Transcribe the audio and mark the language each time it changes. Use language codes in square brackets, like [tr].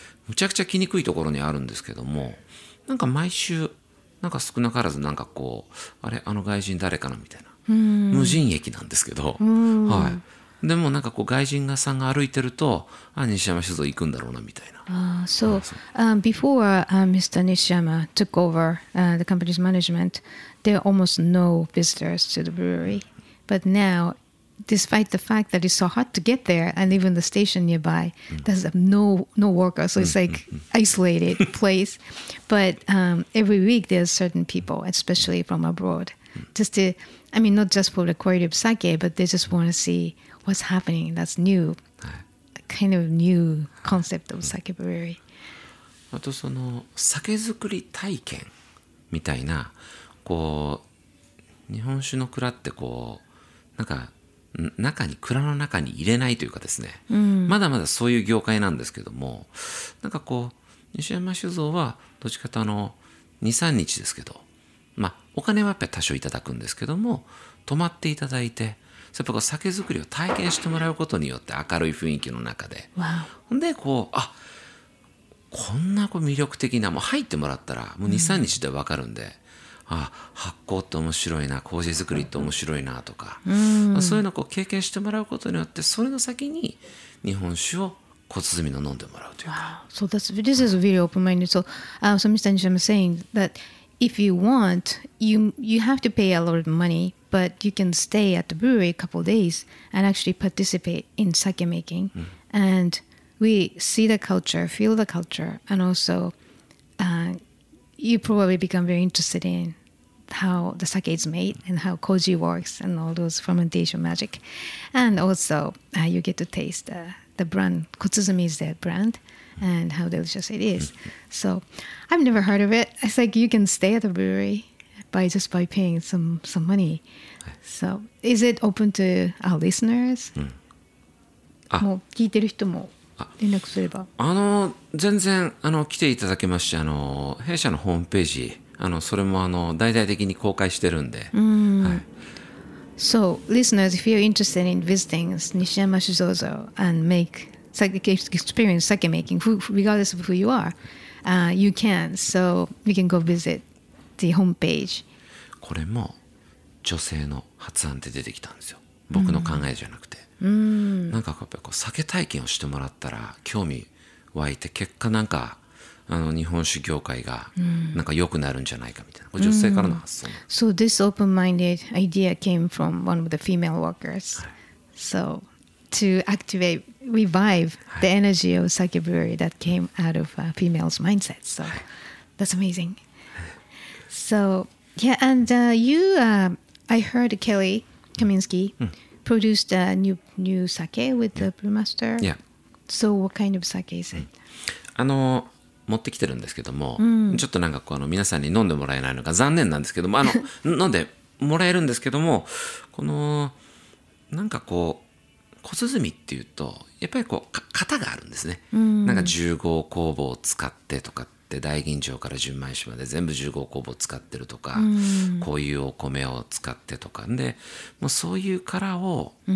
[ja] むちゃくちゃ来にくいところにあるんですけども、なんか毎週なんか少なからずなんかこうあれあの外人誰かなみたいな、無人駅なんですけど、はい、でもなんかこう外人がさんが歩いてると、あ西山酒造行くんだろうなみたいな。 [en] So before Mr. Nishiyama took over the company's management, there are almost no visitors to the brewery. But now, despite the fact that it's so hot to get there and even the station nearby, there's no workers, so it's like isolated place. But every week there's certain people, especially from abroad, just to, I mean, not just for the quality of sake, but they just want to see what's happening that's new, a kind of new concept of sake brewery. [ja] あとその酒造り体験みたいな、こう日本酒の蔵ってこうなんか中に蔵の中に入れないというかですね、まだまだそういう業界なんですけども、なんかこう西山酒造はどっちかと 2,3 日ですけど、まあお金はやっぱり多少いただくんですけども、泊まっていただいてやっぱり酒造りを体験してもらうことによって、明るい雰囲気の中で、 [en] wow. [ja] でこうあこんなこう魅力的な、もう入ってもらったらもう 2,3 日で分かるんで、ああ発酵って面白いな、麹作りって面白いなとか、そういうのをこう経験してもらうことによって、それの先に日本酒を小包の飲んでもらうというか。 [en] So that's, this is really open-minded. So, so Mr. Nishiyama is saying that if you want, you have to pay a lot of money, but you can stay at the brewery a couple of days and actually participate in sake making. And we see the culture, feel the culture, and also you probably become very interested in how the sake is made and how koji works and all those fermentation magic. And also, you get to taste the brand. Kotsuzumi is their brand and how delicious it is. So I've never heard of it. It's like you can stay at the brewery by just by paying some money. So is it open to our listeners? [ja] もう聞いてる人も。連絡すれば、全然来ていただけまして、弊社のホームページ、それも大々的に公開してるんで、 [en] So listeners, if you're interested in visiting Nishiyama Shizozo and make experience sake making, regardless of who you are, you can. So you can go visit the homepage. [ja] これも女性の発案で出てきたんですよ、僕の考えじゃなくて。なんかやっぱこう酒体験をしてもらったら興味湧いて、結果なんかあの日本酒業界がなんか良くなるんじゃないかみたいな、女性からの発想。 [en] So this open-minded idea came from one of the female workers. So to activate, revive the energy of sake brewery that came out of a female's mindset. So that's amazing. So yeah, and you, I heard Kelly Kaminsky produced a new sake with the brewmaster. Yeah. So what kind of sake is it? [ja] 持ってきてるんですけども、ちょっとなんかこうあの皆さんに飲んでもらえないのか残念なんですけども、あの飲んでもらえるんですけども、このなんかこう小鼓っていうとやっぱりこう型があるんですね、なんか十五酵母を使ってとかって、大吟醸から純米酒まで全部十五酵母を使ってるとか、こういうお米を使ってとかで、もうそういう殻を、